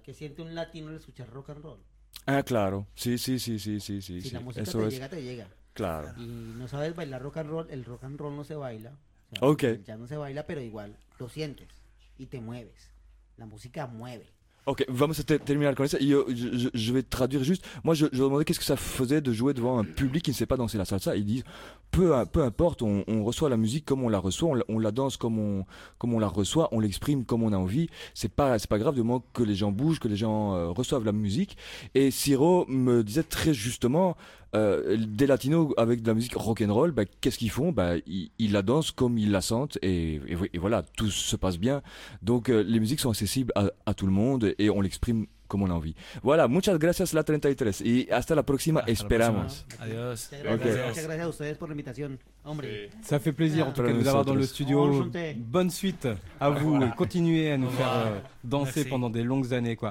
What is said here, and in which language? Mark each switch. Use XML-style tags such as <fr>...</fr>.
<es>¿Qué siente un latino al escuchar rock and roll? Ah, claro. Sí. Si la música eso te es... llega, te llega. Claro. Y no sabes bailar rock and roll, el rock and roll no se baila. O sea, ok. Ya no se baila, pero igual lo sientes y te mueves. La música mueve. Ok, vamos a terminar con eso. Yo voy a traducir justo.</es> <fr>Moi, je demandé qu'est-ce que ça faisait de jouer devant un public qui ne sait pas danser la salsa. Ils disent, peu importe, on reçoit la musique comme on la reçoit, on la danse comme on la reçoit, on l'exprime comme on a envie. C'est pas grave, du moment que les gens bougent, que les gens reçoivent la musique. Et Ciro me disait très justement, des latinos avec de la musique rock'n'roll, bah, qu'est-ce qu'ils font? Bah, ils la dansent comme ils la sentent et voilà, tout se passe bien. Donc les musiques sont accessibles à tout le monde et on l'exprime comme on a envie.</fr> <es>Voilà, muchas gracias la 33 y hasta la próxima, esperamos. Adiós. Okay. Muchas gracias a ustedes por la invitación, hombre. Sí.</es> <fr>Ça fait plaisir en tout cas de vous avoir dans le studio. Bonne suite à vous et continuez à nous faire danser pendant des longues années, quoi.</fr>